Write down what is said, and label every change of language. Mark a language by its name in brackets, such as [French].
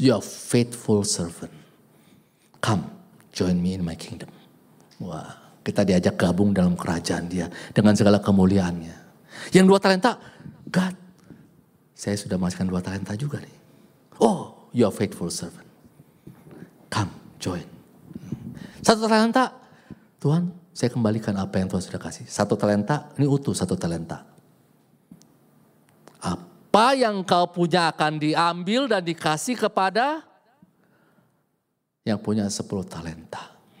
[English] You are faithful servant. Come, join me in my kingdom." [Indonesian] Wah, kita diajak gabung dalam kerajaan dia dengan segala kemuliaannya. Yang 2 talenta, "God, saya sudah masukkan 2 talenta juga nih." [English] "Oh, you are faithful servant. Come, join." [Indonesian] 1 talenta, "Tuhan, saya kembalikan apa yang Tuhan sudah kasih." 1 talenta, ini utuh 1 talenta. "Apa yang kau punya akan diambil dan dikasih kepada yang punya 10 talenta."